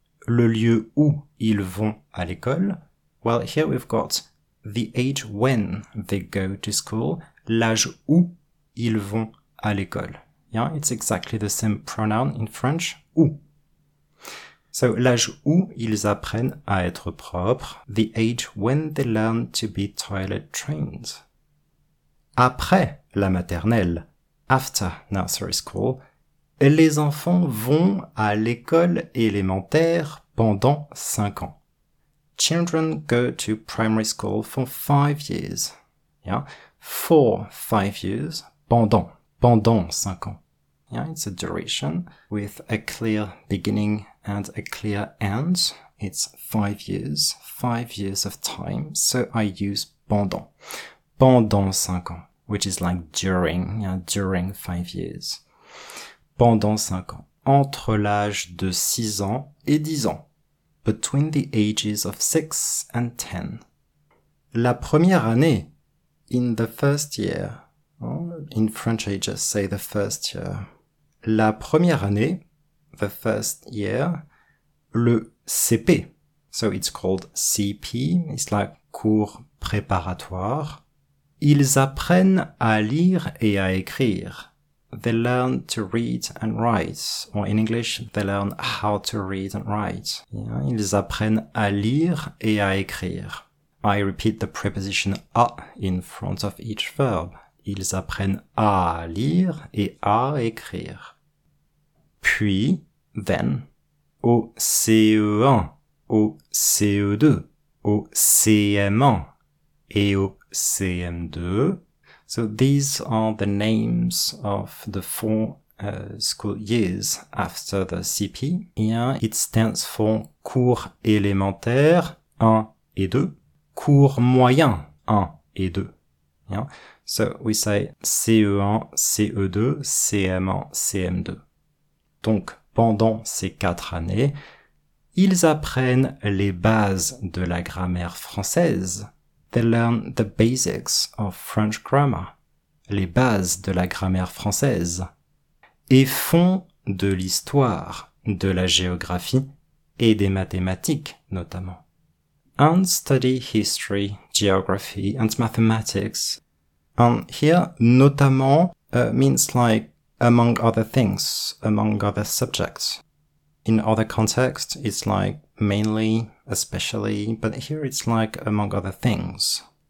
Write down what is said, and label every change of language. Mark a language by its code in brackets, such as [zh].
[fr] Le lieu où ils vont à l'école. [en] Well, here we've got the age when they go to school. [fr] L'âge où ils vont à l'école. [en] Yeah, it's exactly the same pronoun in French, où. [fr] So, l'âge où ils apprennent à être propres. [en] The age when they learn to be toilet trained. [fr] Après la maternelle, [en] after nursery school, [fr] les enfants vont à l'école élémentaire pendant 5 ans. [en] Children go to primary school for 5 years. Yeah. For 5 years. [fr] Pendant 5 ans. [en] Yeah. It's a duration with a clear beginning and a clear end. It's 5 years. 5 years of time. So I use pendant. [fr] Pendant 5 ans. [en] Which is like during. Yeah. During 5 years. Pendant 5 ans. [fr] Entre l'âge de 6 ans et 10 ans. [en] Between the ages of 6 and 10. [fr] La première année, [en] in the first year, In French, I just say the first year. [fr] La première année, [en] the first year, [fr] le CP. [en] So it's called CP. It's like cours préparatoire. [fr] Ils apprennent à lire et à écrire. [en] They learn to read and write. Or in English, they learn how to read and write. Yeah. [fr] Ils apprennent à lire et à écrire. [en] I repeat the preposition à in front of each verb. [fr] Ils apprennent à lire et à écrire. Puis, then, au CE1, au CE2, au CM1 et au CM2. [en] So these are the names of the four school years after the CP. Yeah, it stands for cours élémentaire 1 et 2, cours moyen 1 et 2. Yeah. So we say CE1, CE2, CM1, CM2. [fr] Donc, pendant ces 4 années, ils apprennent les bases de la grammaire française. [en] They learn the basics of French grammar. [fr] Les bases de la grammaire française. Et font de l'histoire, de la géographie et des mathématiques, notamment. [en] And study history, geography and mathematics. And here, notamment, means like among other things, among other subjects. In other contexts, it's like mainly, especially, but here it's like among other things.